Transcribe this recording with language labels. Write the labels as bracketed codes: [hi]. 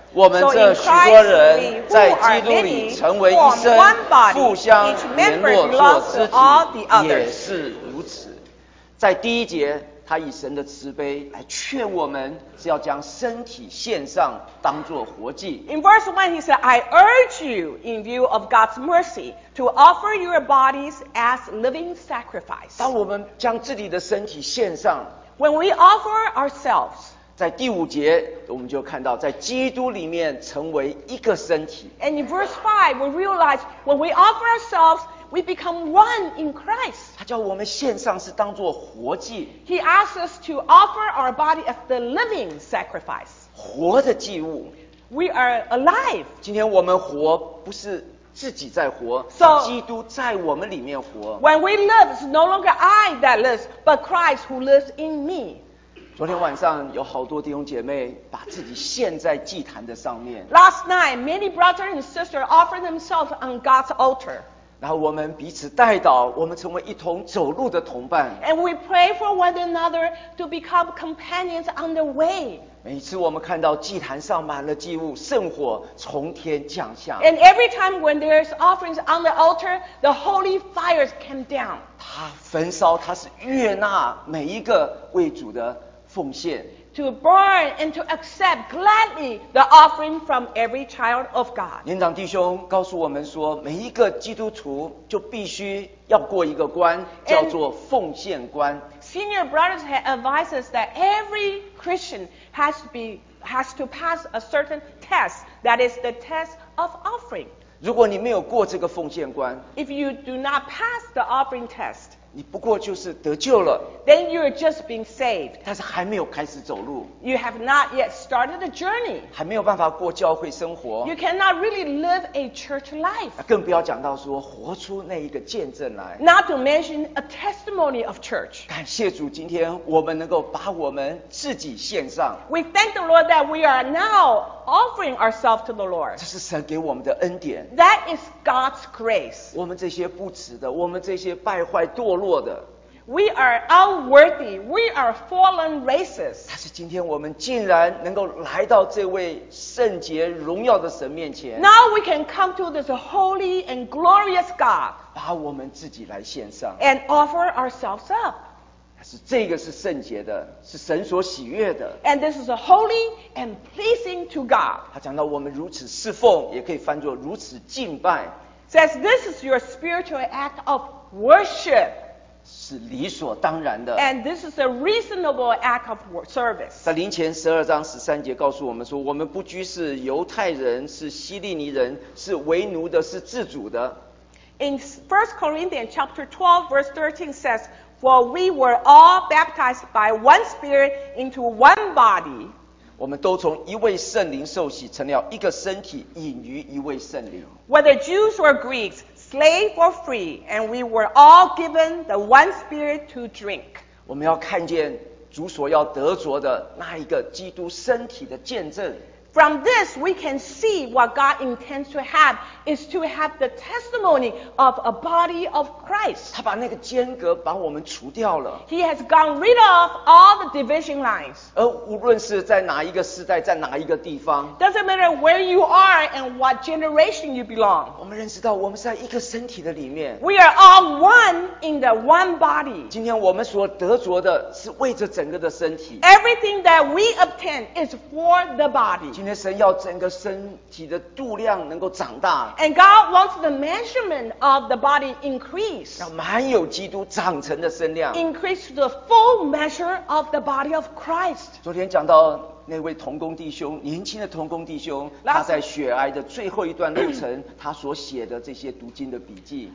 [zh] 我们这许多人在基督里成为一身，互相联络做肢体，也是如此。在第一节。他以神的慈悲来劝我们，是要将身体献上，当作活祭。 [en] In verse 1, he said, I urge you, in view of God's mercy, to offer your bodies as living sacrifice. [zh] 当我们将自己的身体献上 [en] ，When we offer ourselves. [zh] 在第五节，我们就看到在基督里面成为一个身体。 [en] And in verse 5, we realize when we offer ourselves. We become one in Christ. [zh] 他叫我们献上是当作活祭。 [en] He asks us to offer our body as the living sacrifice. [zh] 活的祭物。 [en] We are alive. [zh] 今天我们活不是自己在活，是基督在我们里面活。 [en] When we live, it's no longer I that lives, but Christ who lives in me. [zh] 昨天晚上有好多弟兄姐妹把自己献在祭坛的上面。 [en] Last night, many brothers and sisters offered themselves on God's altar. [zh] 然后我们彼此代祷，我们成为一同走路的同伴。 [en] And we pray for one another to become companions on the way. [zh] 每次我们看到祭坛上满了祭物，圣火从天降下。 [en] And every time when there's offerings on the altar, the holy fires came down. [zh] 它焚烧，它是悦纳每一个为主的奉献。 [en] To burn and to accept gladly the offering from every child of God. [zh] 年长弟兄告诉我们说，每一个基督徒就必须要过一个关，叫做奉献关。 [en] Senior brothers have advised us that every Christian has to pass a certain test, that is the test of offering. [zh] 如果你没有过这个奉献关 [en] ，If you do not pass the offering test. [zh] 你不过就是得救了。 [en] Then you are just being saved. [zh] 但是还没有开始走路。 [en] You have not yet started the journey. [zh] 还没有办法过教会生活。 [en] You cannot really live a church life. [zh] 更不要讲到说活出那一个见证来。 [en] Not to mention a testimony of church. [zh] 感谢主，今天我们能够把我们自己献上。 [en] We thank the Lord that we are now offering ourselves to the Lord. [zh] 这是神给我们的恩典。 [en] That is God's grace. [zh] 我们这些不值的，我们这些败坏堕落的。 [en] We are unworthy. We are fallen races. [zh] 但是今天我们竟然能够来到这位圣洁荣耀的神面前。 [en] Now we can come to this holy and glorious God. [zh] 把我们自己来献上。 [en] And offer ourselves up. [zh] 但是这个是圣洁的，是神所喜悦的。 [en] And this is a holy and pleasing to God. [zh] 他讲到我们如此侍奉，也可以翻作如此敬拜。 [en] Says this is your spiritual act of worship. [zh] 是理所当然的。 [en] And this is a reasonable act of service. [zh] 在林前十二章十三节告诉我们说，我们不拘是犹太人，是希利尼人，是为奴的，是自主的。 [en] In 1 Corinthians chapter 12 verse 13 says, For we were all baptized by one spirit into one body. [zh] 我们都从一位圣灵受洗，成了一个身体，隐于一位圣灵。 [en] Whether Jews or Greeks, slave or free, and we were all given the one spirit to drink. [zh] 我们要看见主所要得着的那一个基督身体的见证。 [en] From this, we can see what God intends to have is to have the testimony of a body of Christ. [zh] 他把那个间隔把我们除掉了。 [en] He has gone rid of all the division lines. [zh] 而无论是在哪一个世代，在哪一个地方。 [en] Doesn't matter where you are and what generation you belong. [zh] 我们认识到我们是在一个身体的里面。 [en] We are all one in the one body. [zh] 今天我们所得着的是为着整个的身体。 [en] Everything that we obtain is for the body. [zh] 今天神要整个身体的度量能够长大。 [en] And God wants the measurement of the body increase. [zh] 要满有基督长成的身量。 [en] Increase the full measure of the body of Christ. [zh] 昨天讲到那位同工弟兄，年轻的同工弟兄，他在血癌的最后一段路程，他所写的这些读经的笔记。